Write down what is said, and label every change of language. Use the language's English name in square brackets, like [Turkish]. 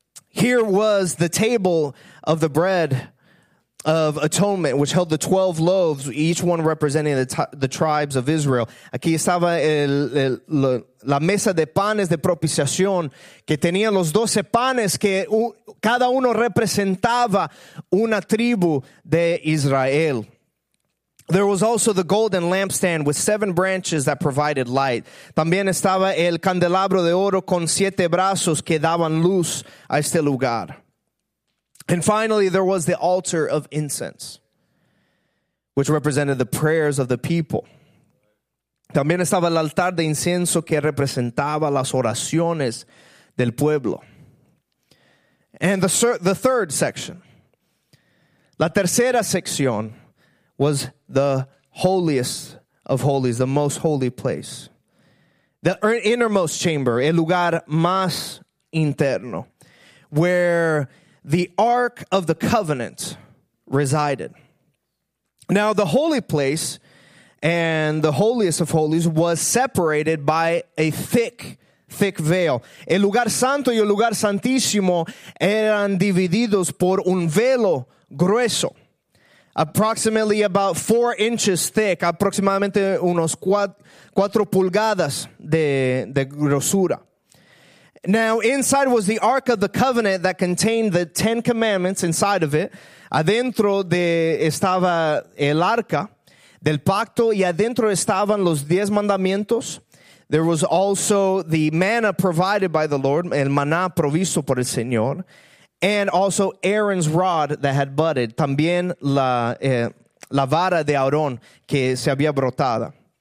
[English] Here was the table of the bread of atonement, which held the 12 loaves, each one representing the tribes of Israel. [Spanish] Aquí estaba la mesa de panes de propiciación, que tenía los 12 panes, que cada uno representaba una tribu de Israel. [English] There was also the golden lampstand with 7 branches that provided light. [Spanish] También estaba el candelabro de oro con 7 brazos que daban luz a este lugar. [English] And finally, there was the altar of incense, which represented the prayers of the people. [Spanish] También estaba el altar de incienso que representaba las oraciones del pueblo. [English] And the third section, [Spanish] la tercera sección, [English] was the holiest of holies, the most holy place. The innermost chamber, [Spanish] el lugar más interno, [English] where the Ark of the Covenant resided. Now, the holy place and the holiest of holies was separated by a thick veil. [Spanish] El lugar santo y el lugar santísimo eran divididos por un velo grueso. [English] Approximately about 4 inches thick, [Spanish] aproximadamente unos 4 pulgadas de grosura. [English] Now, inside was the Ark of the Covenant that contained the 10 commandments inside of it. [Spanish] Adentro estaba el arca del pacto y adentro estaban los 10 mandamientos. [English] There was also the manna provided by the Lord, [Spanish] el maná provisto por el Señor. [English] And also Aaron's rod that had budded. [Spanish] También la vara de Aarón que se había brotada.